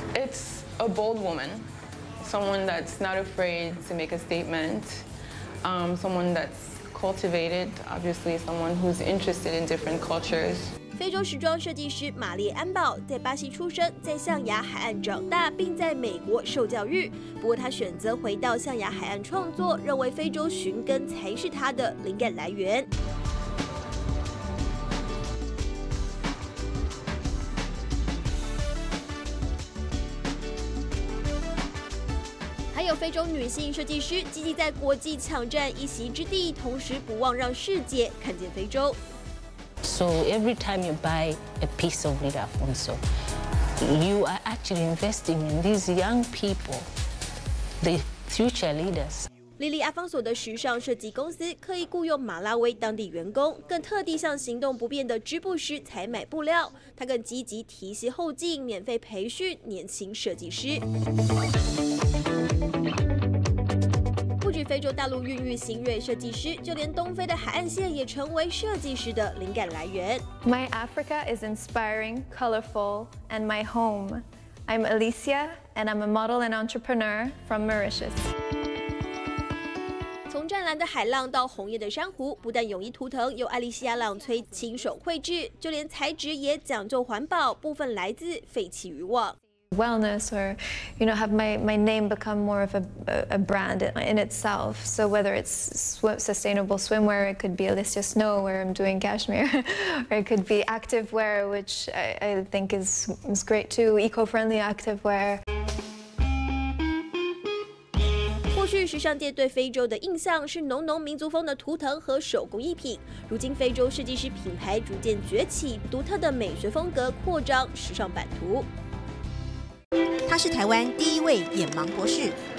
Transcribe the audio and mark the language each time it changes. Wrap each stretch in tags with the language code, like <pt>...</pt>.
<en>It's a bold woman, someone that's not afraid to make a statement, someone that's cultivated, obviously someone who's interested in different cultures.</en> <zh>非洲时装设计师玛丽安宝在巴西出生，在象牙海岸长大，并在美国受教育。不过，她选择回到象牙海岸创作，认为非洲寻根才是她的灵感来源。还有非洲女性设计师积极在国际抢占一席之地，同时不忘让世界看见非洲。</zh> <en>So every time you buy a piece of Lida Afonso, you are actually investing in these young people, the future leaders.</en> <zh>Lili Afonso 的时尚设计公司刻意雇佣马拉威当地员工，更特地向行动不便的织布师采买布料。他更积极提携后进，免费培训年轻设计师。不止非洲大陆孕育新锐设计师，就连东非的海岸线也成为设计师的灵感来源。</zh> <en>My Africa is inspiring, colorful, and my home. I'm Alicia, and I'm a model and entrepreneur from Mauritius.</en> <zh>从湛蓝的海浪到红艳的珊瑚，不但泳衣图腾由艾丽西亚·朗崔亲手绘制，就连材质也讲究环保，部分来自废弃渔网。</zh> <en>Wellness, or you know, have my name become more of a brand in itself. So whether it's sustainable swimwear, it could be Alicia Snow, where I'm doing cashmere, or it could be activewear, which I think is great too, eco-friendly activewear.</en> <zh>过去时尚界对非洲的印象是浓浓民族风的图腾和手工艺品，如今非洲设计师品牌逐渐崛起，独特的美学风格扩张时尚版图。他是台湾第一位眼盲博士。</zh>